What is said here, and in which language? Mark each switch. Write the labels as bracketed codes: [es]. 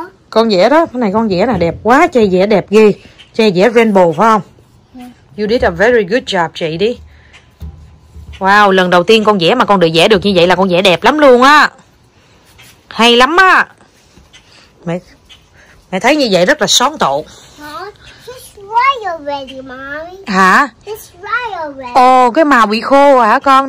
[vi] Con vẽ đó, cái này con vẽ nè, đẹp quá, chơi vẽ đẹp ghê. Chơi vẽ rainbow phải không? [en] Yeah. You did a very good job [vi] chị đi. Wow, lần đầu tiên con vẽ mà con được vẽ được như vậy là con vẽ đẹp lắm luôn á. Hay lắm á. Mẹ, mẹ thấy như vậy rất là sáng tạo. [en] Why already, mommy? [vi] Hả? [en] It's why already. [vi] Ồ, cái màu bị khô hả con?